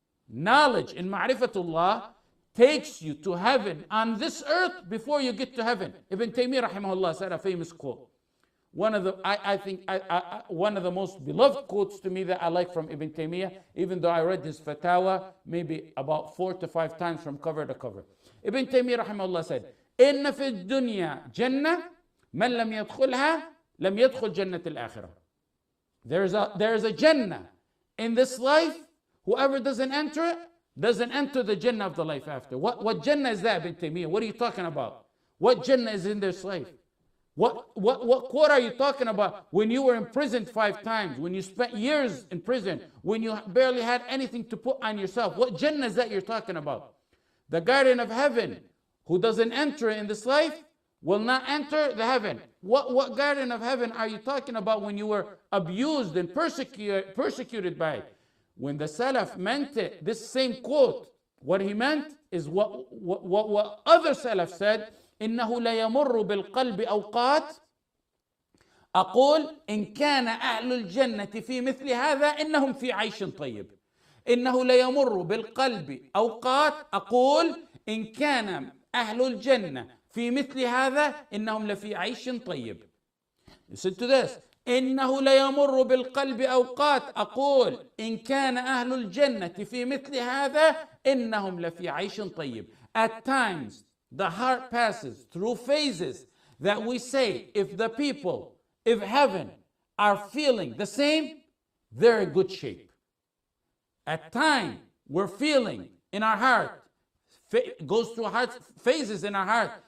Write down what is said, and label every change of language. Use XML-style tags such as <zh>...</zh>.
<en>Knowledge in ma'rifatullah takes you to heaven on this earth before you get to heaven. Ibn Taymiyyah rahimahullah said a famous quote. One of the most beloved quotes to me that I like from Ibn Taymiyyah, even though I read his fatawa maybe about 4 to 5 times from cover to cover. Ibn Taymiyyah rahimahullah said,</en> <ar>إن في الدنيا جنة من لم يدخلها لم يدخل جنة الآخرة.</ar> <en>There is a Jannah in this life. Whoever doesn't enter it doesn't enter the Jannah of the life after. What Jannah is that, Ibn Taymiyyah? What are you talking about? What Jannah is in this life? What quote are you talking about? When you were imprisoned 5 times, when you spent years in prison, when you barely had anything to put on yourself, what Jannah is that you're talking about? The Garden of Heaven. Who doesn't enter in this life will not enter the heaven. What garden of heaven are you talking about when you were abused and persecuted by it? When the Salaf meant it, this same quote, what he meant is what other Salaf said,</en> <ar>إِنَّهُ لَيَمُرُّ بِالْقَلْبِ أَوْقَاتٍ أَقُولُ إِنْ كَانَ أَهْلُ الْجَنَّةِ فِي مِثْلِ هَذَا إِنَّهُمْ فِي عَيْشٍ طَيِّبٍ إِنَّهُ لَيَمُرُّ بِالْقَلْبِ أَوْقَاتٍ أَقُولُ إِنْ كَانَ أهل الجنة في مثل هذا إنهم لفي عيش طيب.</ar> <en>Listen to this.</en> <ar>إنه ليمر بالقلب أوقات أقول إن كان أهل الجنة في مثل هذا إنهم لفي عيش طيب.</ar> <en>At times the heart passes through phases that we say if the people, if heaven are feeling the same, they're in good shape. At time we're feeling in our heart, goes through heart phases in our heart.</en>